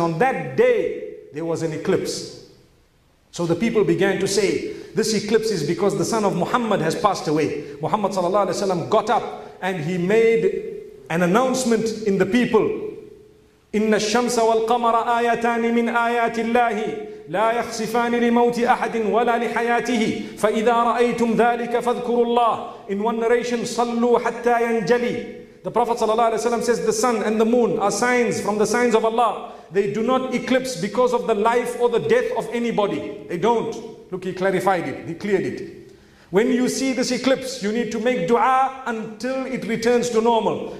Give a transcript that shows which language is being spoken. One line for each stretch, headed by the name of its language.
English: On that day, there was an eclipse. So the people began to say, this eclipse is because the son of Muhammad has passed away. Muhammad sallallahu alayhi wa sallam got up and he made an announcement in the people.
Arabic: Inna ash-shamsa wal-qamara ayatan min ayati Allahi. لا يخسفان لموت أحد ولا لحياته فإذا رأيتم ذلك فاذكروا الله.
English: In one narration,
Arabic: صلوا حتى ينجلي.
English: The Prophet sallallahu alaihi wasallam says, the sun and the moon are signs from the signs of Allah. They do not eclipse because of the life or the death of anybody. They don't. Look, he clarified it. He cleared it. When you see this eclipse, you need to make dua until it returns to normal.